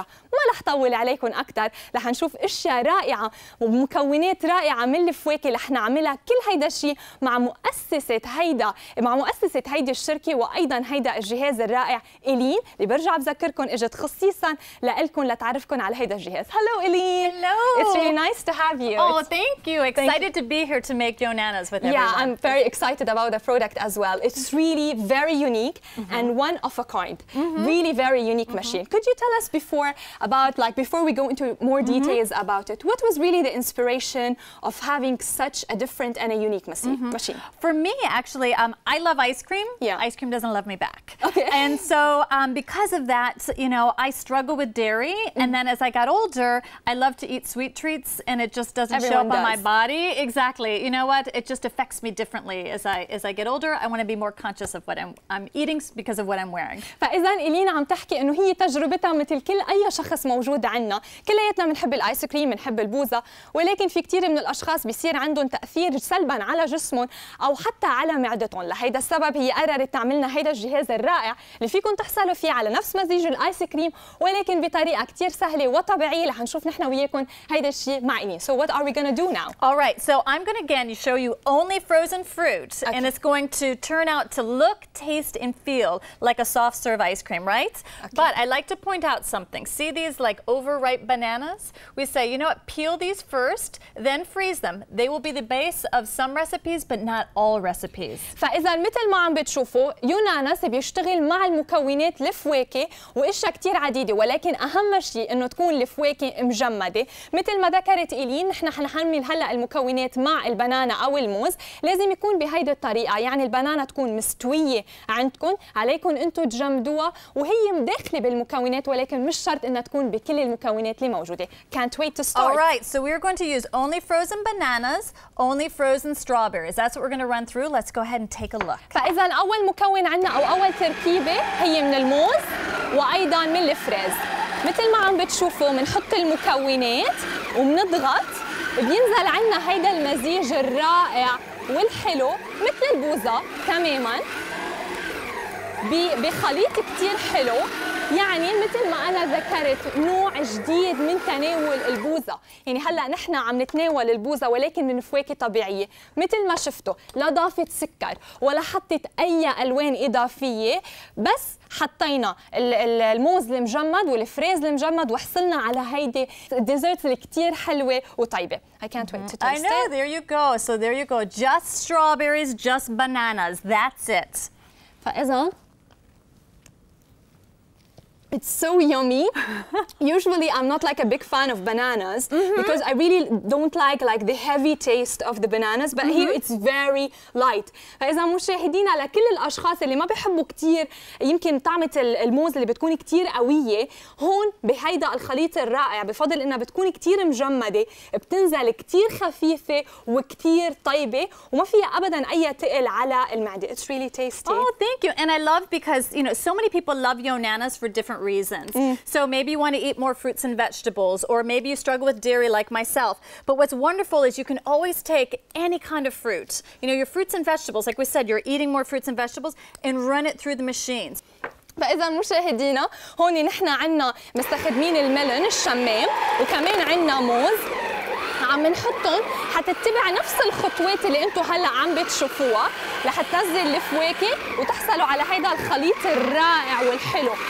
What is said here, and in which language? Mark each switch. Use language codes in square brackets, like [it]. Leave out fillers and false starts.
[ar] ما رح طول عليكم أكثر، رح نشوف أشياء رائعة ومكونات رائعة من الفواكه رح نعملها كل هيدا الشيء مع مؤسسة هيدا مع مؤسسة هيدي الشركة وأيضا هيدا الجهاز الرائع إلين اللي برجع بذكركم إجت خصيصا لكم لتعرفكم على هيدا الجهاز. [en] Hello Elaine. Hello. It's really nice to have you. Oh, thank you. Excited to be here to make Yonanas with everyone. Yeah, I'm very excited about the product as well. It's really very unique and one of a kind. Really very unique machine. Could you tell us before about, like, before we go into more details about it, what was really the inspiration of having such a different and a unique machine? For me, actually, I love ice cream. Yeah. Ice cream doesn't love me back. Okay. And so because of that, you know, I struggle with dairy. And then as I got older, I love to eat sweet treats and it just doesn't Everyone show up does. On my body. Exactly. You know what? It just affects me differently as I get older. I want to be more conscious of what I'm eating because of what I'm wearing. [ar] فإذا إلينا عم تحكي إنه هي تجربتها مثل كل أي شخص موجود عنا، كلياتنا بنحب الآيس كريم، بنحب البوظة، ولكن في كثير من الأشخاص بيصير عندهم تأثير سلباً على جسمهم أو حتى على معدتهم، لهيدا السبب هي قررت تعملنا هيدا الجهاز الرائع اللي فيكم تحصلوا فيه على نفس مزيج الآيس كريم ولكن بطريقة كثير سهلة وطبيعية. رح نشوف نحن وياكم هيدا الشيء مع إلين. [en] So what are we gonna do now? All right, so I'm gonna again show you only frozen fruit okay. and it's going to turn out to look, taste and feel like a soft serve ice cream, right? Okay. But I'd like to point out something. See these like overripe bananas? We say, you know what, peel these first, then freeze them. They will be the base of some recipes, but not all recipes. [ar] فإذا مثل ما عم بتشوفوا يوناناس بيشتغل مع المكونات الفواكه وإشياء كتير عديدة ولكن أهم شيء إنه تكون الفواكه مجمدة. مثل ما ذكرت إيلين نحن حنحمل هلا المكونات مع البنانة أو الموز. لازم يكون بهيدي الطريقة، يعني البنانة تكون مستوية عندكم، عليكم أنتم تجمدوها وهي مداخلة بالمكونات ولكن مش شرط انها تكون بكل المكونات اللي موجوده. [en] Can't wait to start. All right, so we're going to use only frozen bananas, only frozen strawberries. That's what we're going to run through. Let's go ahead and take a look. [ar] فاذا اول مكون عندنا او اول تركيبه هي من الموز وايضا من الفريز. مثل ما عم بتشوفوا بنحط المكونات وبنضغط بينزل عندنا هيدا المزيج الرائع والحلو مثل البوظه تماما بخليط كثير حلو، يعني مثل ما انا ذكرت نوع جديد من تناول البوظه، يعني هلا نحن عم نتناول البوظه ولكن من فواكه طبيعيه، مثل ما شفتوا لا ضافت سكر ولا حطت اي الوان اضافيه، بس حطينا الموز المجمد والفريز المجمد وحصلنا على هيدي الديزرت اللي كثير حلوه وطيبه. [en] I can't wait to taste it. I know, there you go. So there you go. Just strawberries, just bananas. That's it. [ar] فإذا [en] It's so yummy. Usually I'm not like a big fan of bananas because I really don't like the heavy taste of the bananas, but here it's very light. [ar] فإذا مشاهدينا لكل الأشخاص اللي ما بيحبوا كتير يمكن طعمة الموز اللي بتكون كتير قوية, هون بهيدا الخليط الرائع بفضل إنها بتكون كتير مجمدة بتنزل كتير خفيفة وكتير طيبة وما فيها أبدا أي تقل على المعدة. [en] It's really tasty. Oh, thank you. And I love because you know so many people love Yonanas for different reasons. So maybe you want to eat more fruits and vegetables, or maybe you struggle with dairy like myself. But what's wonderful is you can always take any kind of fruit. You know, your fruits and vegetables, like we said, you're eating more fruits and vegetables and run it through the machines. [ar] فإذا مشاهدينا هون نحن عنا مستخدمين الميلون الشمام وكمان عنا موز عم نحطهم حتتبع نفس الخطوات اللي انتو هلا عم بتشوفوها لحتنزل الفواكه وتحصلوا على هيدا الخليط الرائع والحلو.